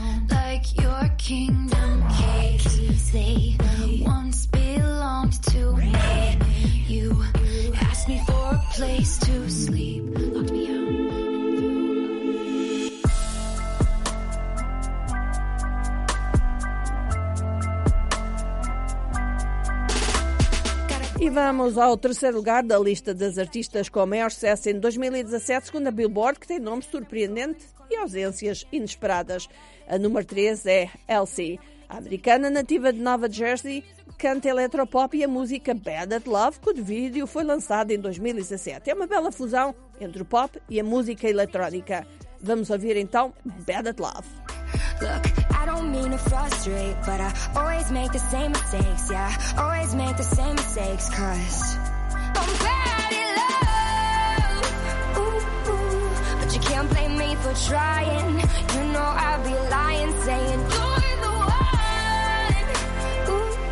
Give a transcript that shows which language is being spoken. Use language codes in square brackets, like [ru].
[en] Like your kingdom keys, they once belonged to me. You asked me for a place to sleep, locked me out. [pt] E vamos ao terceiro lugar da lista das artistas com maior sucesso em 2017, segundo a Billboard, que tem nome surpreendente e ausências inesperadas. A número 3 é Elsie. A americana nativa de Nova Jersey canta eletropop e a música Bad at Love, cujo vídeo foi lançado em 2017. É uma bela fusão entre o pop e a música eletrónica. Vamos ouvir então Bad at Love. [en] Look, I don't mean to frustrate, but I always make the same mistakes. Yeah, always make the same mistakes, cause I'm bad at love. Ooh, ooh, but you can't blame me for trying. You know I'd be lying saying you're the one.